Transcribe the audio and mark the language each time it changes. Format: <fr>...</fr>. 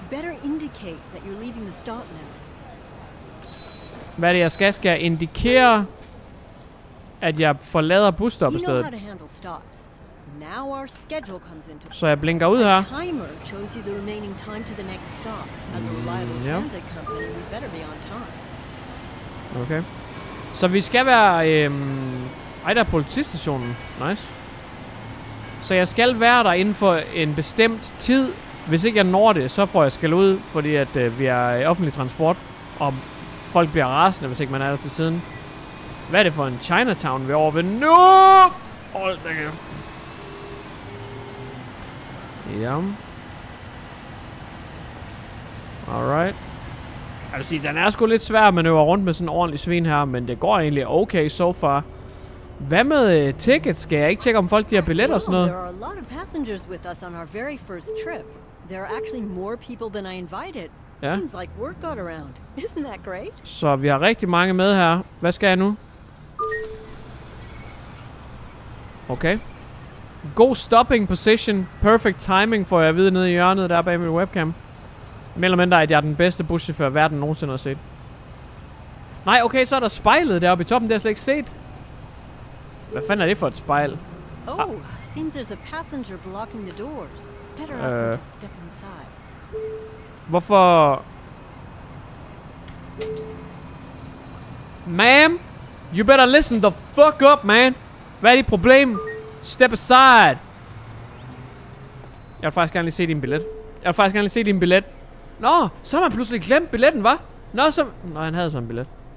<en>Better indicate that you're leaving the stop now.</en> <da>Hvad er det, jeg skal? Skal jeg indikere, at jeg forlader busstoppestedet?</da> <en>You know how to handle stops. Now our schedule comes into</en> <da>play. Så jeg blinker ud her.</da> <en>The timer shows you the remaining time to the next stop. As a reliable transit company, we better be on time. Okay.</en> <da>Så vi skal være der er politistationen. Nice. Så jeg skal være der inden for en bestemt tid. Hvis ikke jeg når det, så får jeg skæld ud, fordi at vi er i offentlig transport, og folk bliver rasende, hvis ikke man er der til tiden. Hvad er det for en Chinatown vi er over ved nu? Hold da kæft. Jam. Alright. Jeg vil sige, den er sgu lidt svær at manøvre rundt med sådan en ordentlig svin her, men det går egentlig okay so far. Hvad med tickets? Skal jeg ikke tjekke, om folk de har billetter og sådan noget?</da> <en>Well, there are a lot of passengers with us on our very first trip. There are actually more people than I invited. Ja. Seems like work got around. Isn't that great?</en> <da>Så vi har rigtig mange med her. Hvad skal jeg nu? Okay.</da> <en>God stopping position. Perfect timing,</en> <da>får jeg at vide nede i hjørnet der bag min webcam. Mellem end der, at jeg er den bedste buschauffør, verden nogensinde har set. Nej, okay, så er der spejlet deroppe i toppen. Det har jeg slet ikke set. Hvad fanden er det for et spejl?</da> <en>Oh, ah. Seems there's a passenger blocking the doors. Better ask him to step inside.</en> <da>Hvorfor?</da> <en>Ma'am, you better listen the fuck up, man.</en> <da>Hvad er dit problem?</da> <en>Step aside.</en> <da>Jeg vil faktisk gerne lige se din billet. Jeg vil faktisk gerne lige se din billet. Nå, så har man pludselig glemt billetten, hva? Nå, så... Nå, han havde sådan en billet.</da>